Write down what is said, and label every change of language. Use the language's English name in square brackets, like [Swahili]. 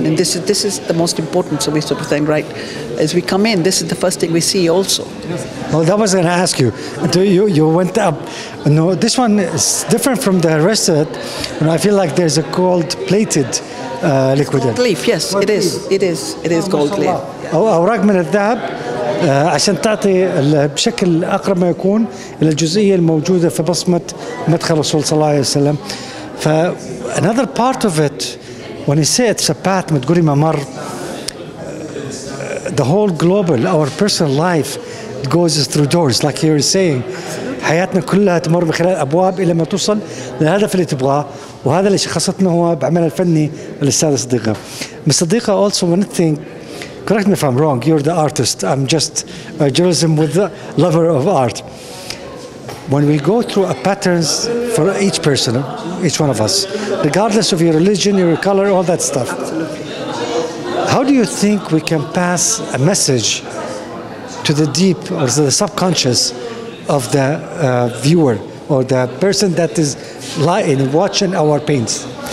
[English] And this is the most important, so we sort of think, right, as we come in, this is the first thing we see also. Well, that was going to ask you. You went up. No, this one is different from the rest of it. And I feel like there's a gold plated liquid. Gold leaf, yes, gold it is. Leaf. It is. It is gold leaf. [Arabic] أوراق من الذهب. عشان تعطي بشكل أقرب ما يكون إلى الجزئية الموجودة في بصمة مدخل رسول صلى الله عليه وسلم. [English] ف another part of it, when you say it's a path, [Arabic] ما تقولي ممر, [English] the whole global, our personal life goes through doors, like you're saying. [Arabic] حياتنا كلها تمر من خلال أبواب إلى ما توصل للهدف اللي تبغاه, وهذا اللي شخصتنا هو بعملها الفني الأستاذ صديقة. [English] صديقة, also one thing, correct me if I'm wrong, you're the artist, I'm just a journalism with the lover of art. When we go through a patterns for each person, each one of us, regardless of your religion, your color, all that stuff, how do you think we can pass a message to the deep or to the subconscious of the viewer or the person that is lying, watching our paints?